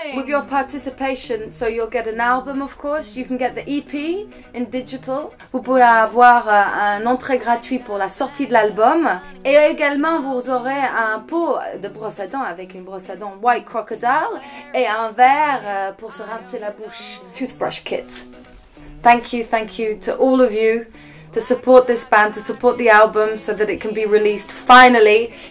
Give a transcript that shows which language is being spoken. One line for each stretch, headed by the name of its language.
English: Your participation, so you'll get an album, of course. You can get the EP in digital.
French: Vous pouvez avoir un entrée gratuit pour la sortie de l'album, et également vous aurez un pot de brosse à dents avec une brosse à dents White Crocodile et un verre pour se rincer la bouche.
English: Toothbrush kit. Thank you to all of you to support this band, to support the album, so that it can be released finally.